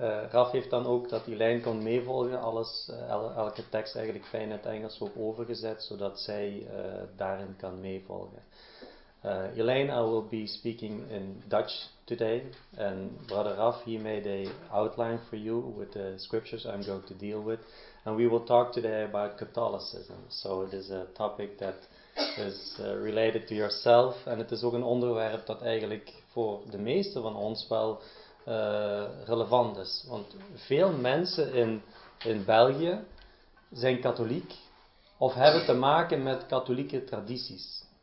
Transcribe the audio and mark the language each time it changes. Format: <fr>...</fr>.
<nl>Raf heeft dan ook dat die lijn kon meevolgen, elke tekst eigenlijk fijn in het Engels ook overgezet, zodat zij daarin kan meevolgen.</nl> <en>Elaine, I will be speaking in Dutch today, and Brother Raf, he made a outline for you with the scriptures I'm going to deal with, and we will talk today about Catholicism. So it is a topic that is related to yourself, and it is</en> <nl>ook een onderwerp dat eigenlijk voor de meeste van ons wel relevant is. Want veel mensen in België zijn katholiek of hebben te maken met katholieke tradities.</nl>